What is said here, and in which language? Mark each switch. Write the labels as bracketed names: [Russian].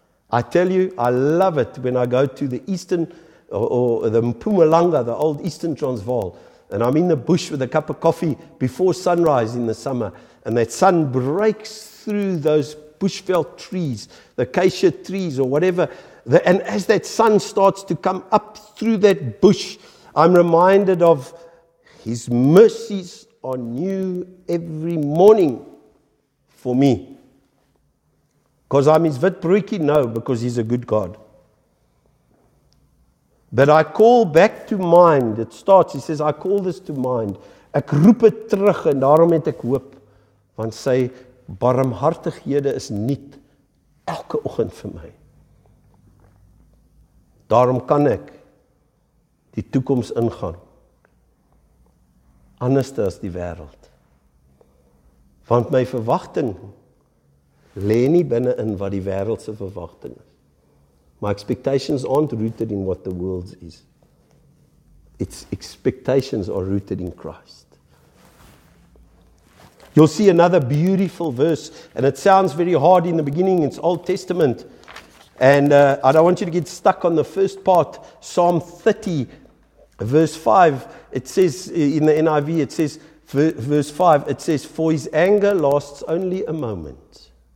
[English] I tell you, I love it when I go to the eastern or the Mpumalanga, the old eastern Transvaal, and I'm in the bush with a cup of coffee before sunrise in the summer, and that sun breaks through those bushveld trees, the acacia trees or whatever, and as that sun starts to come up through that bush, I'm reminded of His mercies are new every morning for me. Because I'm his witbroekie? No, because he's a good God. But I call back to mind, it starts, he says, I call this to mind. [Afrikaans] Ek roep het terug en daarom het ek hoop. Want sy barmhartighede is niet elke oggend vir my. Daarom kan ek die toekoms ingaan. Anders as die wêreld. Want my verwagting lê nie binne in wat die wêreld se verwagting is. [English] My expectations aren't rooted in what the world is. Its expectations are rooted in Christ. You'll see another beautiful verse, and it sounds very hard in the beginning, it's Old Testament. And I don't want you to get stuck on the first part, Psalm 30, Verse 5, it says, in the NIV, it says, verse 5, it says, for his anger lasts only a moment.